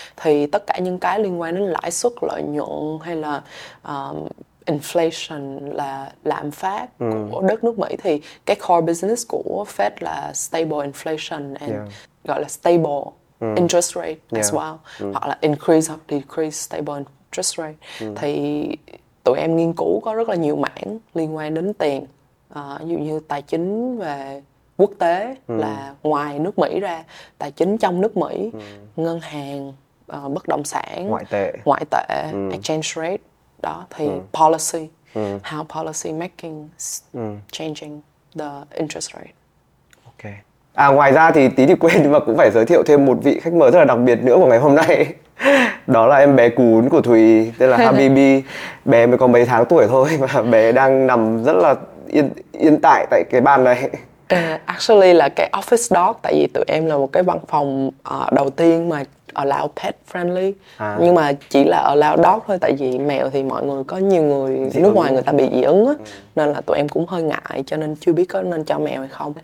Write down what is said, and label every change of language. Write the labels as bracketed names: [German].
[Vietnamese] Thì tất cả những cái liên quan đến lãi suất, lợi nhuận hay là inflation, là lạm phát của đất nước Mỹ, thì cái core business của Fed là stable inflation and gọi là stable interest rate as well, hoặc là increase or decrease stable interest rate. Thì tụi em nghiên cứu có rất là nhiều mảng liên quan đến tiền, ví dụ như tài chính về quốc tế, là ngoài nước Mỹ ra, tài chính trong nước Mỹ, ngân hàng, bất động sản, ngoại tệ, [English] exchange rate. Đó, thì policy, how policy making changing the interest rate. Ok. [Vietnamese] À, ngoài ra thì tí thì quên, nhưng mà cũng phải giới thiệu thêm một vị khách mời rất là đặc biệt nữa của ngày hôm nay. Đó là em bé cún của Thùy, tên là Habibi. Bé mới có mấy tháng tuổi thôi mà bé đang nằm rất là yên tại tại cái bàn này. Actually là cái office dog, tại vì tụi em là một cái văn phòng đầu tiên mà allow pet friendly, nhưng mà chỉ là allow dog thôi, tại vì mèo thì mọi người có nhiều người nước ngoài người ta bị dị ứng á, nên là tụi em cũng hơi ngại, cho nên chưa biết có nên cho mèo hay không.